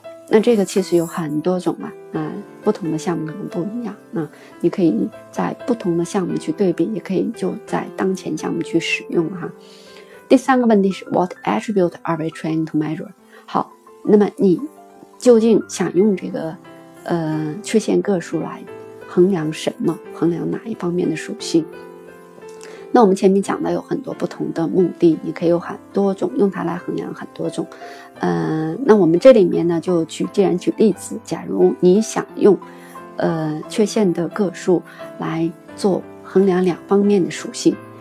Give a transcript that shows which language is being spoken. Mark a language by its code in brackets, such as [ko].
[zh] 那这个其实有很多种嘛，不同的项目可能不一样，你可以在不同的项目去对比，也可以就在当前项目去使用哈。 [en] 第三个问题是 What attribute are we trying to measure？ [zh] 好，那么你究竟想用这个缺陷个数来衡量什么，衡量哪一方面的属性？那我们前面讲的有很多不同的目的，你可以有很多种用它来衡量很多种。那我们这里面呢就既然举例子，假如你想用缺陷的个数来做衡量两方面的属性。